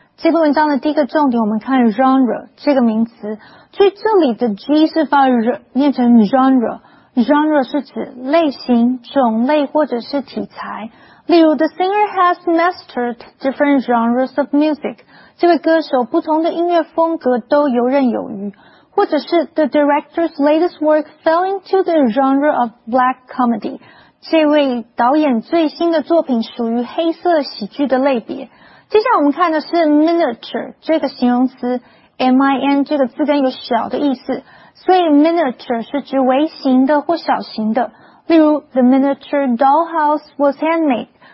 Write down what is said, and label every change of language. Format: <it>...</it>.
<zh>这篇文章的第一个重点，我们看genre 这个名词。注意这里的g 是发r 念成genre。 Genre 是指类型, 种类, 或者是题材。例如,</zh> <en>the singer has mastered different genres of music.</en> <zh>这位歌手不同的音乐风格都游刃有余。或者是,</zh> <en>the director's latest work fell into the genre of black comedy.</en> <zh>这位导演最新的作品属于黑色喜剧的类别。接下来我们看的是 miniature 这个形容词, M-I-N 这个字根有小的意思。所以 miniature 是指微型的或小型的。例如,</zh> <en>the miniature dollhouse was handmade.</en>